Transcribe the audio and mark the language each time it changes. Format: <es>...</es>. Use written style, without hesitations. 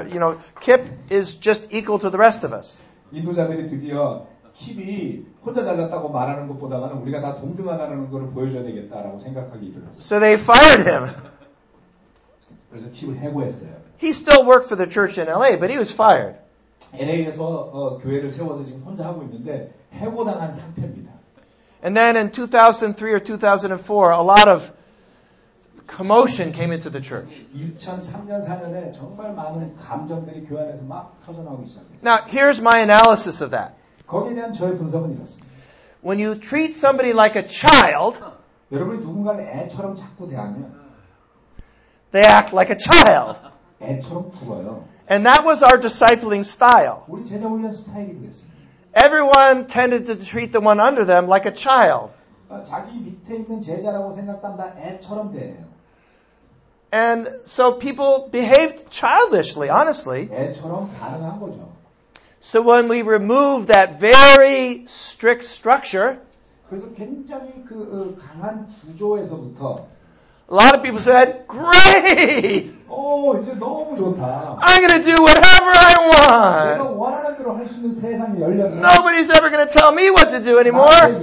<en>You know, Kip is just equal to the rest of us.</en> <ko>인도자들이 드디어 킵이 혼자 잘났다고 말하는 것보다는 우리가 다 동등하다는 것을 보여줘야 되겠다라고 생각하기 이르렀어요.</ko> <en>So they fired him.</en> <ko>그래서 킵을 해고했어요.</ko> <en>He still worked for the church in LA, but he was fired.</en> <ko>LA에서 교회를 세워서 지금 혼자 하고 있는데 해고당한 상태입니다.</ko> <en>And then in 2003 or 2004, a lot of commotion came into the church.</en> <ko>2003년, 4년에 정말 많은 감정들이 교회 안에서 막 터져나오기 시작했어요.</ko> <en>Now, here's my analysis of that.</en> <ko>거기에 대한 저의 분석은 이렇습니다.</ko> <en>When you treat somebody like a child,</en> <ko>여러분이 누군가를 애처럼 자꾸 대하면,</ko> <en>they act like a child.</en> <ko>애처럼 굴어요.</ko> <en>And that was our discipling style.</en> <ko>우리 제자 훈련 스타일이 그랬습니다.</ko> <en>Everyone tended to treat the one under them like a child.</en> <ko>자기 밑에 있는 제자라고 생각한 다 애처럼 대해요.</ko> <en>And so people behaved childishly, honestly.</en> <ko>애처럼 반응한 거죠.</ko> <en>So when we remove that very strict structure,</en> <ko>그래서 굉장히 그 강한 구조에서부터</ko> <en>a lot of people said, great!</en> <ko>이제 너무 좋다.</ko> <en>I'm going to do whatever I want.</en> <ko>내가 원하는 대로 할 수 있는 세상이 열렸네.</ko> <en>Nobody's ever going to tell me what to do anymore.</en>